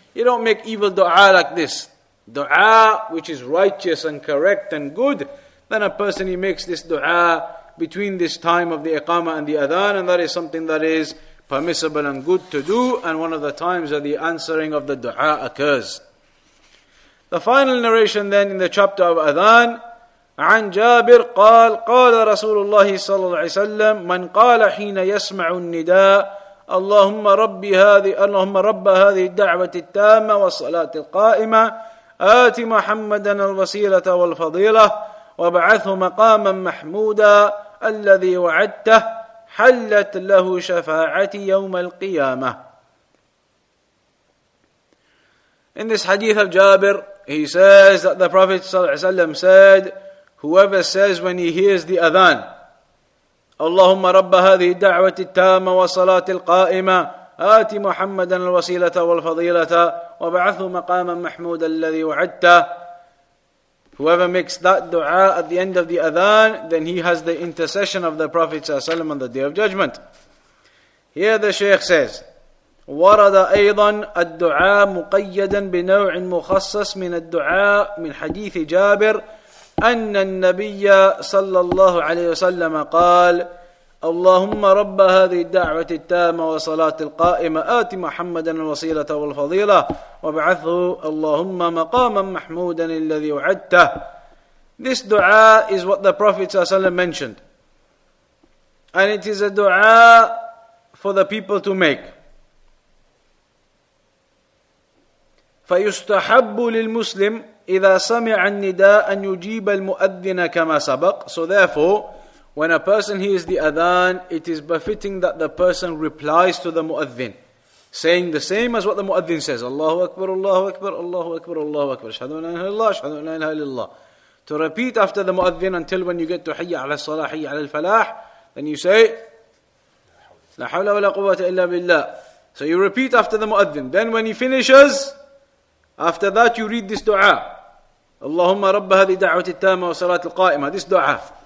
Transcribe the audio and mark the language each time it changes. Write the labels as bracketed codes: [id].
[en] You don't make evil dua like this. Dua which is righteous and correct and good, then a person, he makes this dua between this time of the iqama and the adhan, and that is something that is permissible and good to do, and one of the times that the answering of the dua occurs. The final narration then in the chapter of adhan, [ar] عن جابر قال قال رسول الله صلى الله عليه وسلم من قال حين يسمع النداء اللهم ربي هذه اللهم رب هذه الدعوة التامة والصلاة القائمة آت محمدا الوسيلة والفضيلة وابعثه مقاما محمودا الذي وعدته حلت له شفاعتي يوم القيامة. [en] In this hadith of Jabir, he says that the Prophet صلى الله عليه وسلم said, whoever says when he hears the adhan, [ar] اللهم رب هذه الدعوة التامة والصلاة القائمة, آتي محمدا الوسيلة والفضيلة وبعثه مقاما محمودا الذي وعدته. [en] Whoever makes that dua at the end of the adhan, then he has the intercession of the Prophet ﷺ on the Day of Judgment. Here the Shaykh says, [ar] وَرَدَ أَيْضًا الدُّعَاء مُقَيَّدًا بِنَوْعٍ مُخَصَّصٍ مِنَ الدُّعَاءِ مِنْ حَدِيثِ جَابِرٍ أَنَّ النَّبِيَّ صَلَّى اللَّهُ عَلَيْهِ وَسَلَّمَ قَالَ اللَّهُمَّ رَبَّ هَذِهِ الدَّعْوَةِ التَّامَةِ وَصَلَاةِ الْقَائِمَةِ آتِ مُحَمَّدًا الْوَصِيلَةَ وَالْفَضِيلَةَ وَبَعَثُهُ اللَّهُمَّ مَقَامًا مَحْمُودًا الَّذِي وَعَدْتَهُ. [en] This dua is what the Prophet ﷺ mentioned, and it is a dua for the people to make. [ar] فيستحب للمسلم إذا سمع النداء أن يجيب المؤذن كما سبق. [en] So therefore, when a person hears the adhan, it is befitting that the person replies to the muadhin, saying the same as what the muadhin says: [ar] Allahu Akbar, Allahu Akbar, Allahu Akbar, Allahu Akbar. أشهد أن لا إله إلا الله، أشهد أن لا إله إلا الله. [en] To repeat after the muadhin until when you get to [ar] حي على الصلاة، حي على الفلاح, [en] then you say [ar] لا حول ولا قوة إلا بالله. [en] So you repeat after the muadhin. Then when he finishes, after that, you read this dua. [ar] Allahumma rabba hadhi da'wati tama wa salat al-qa'ima. [en] This dua.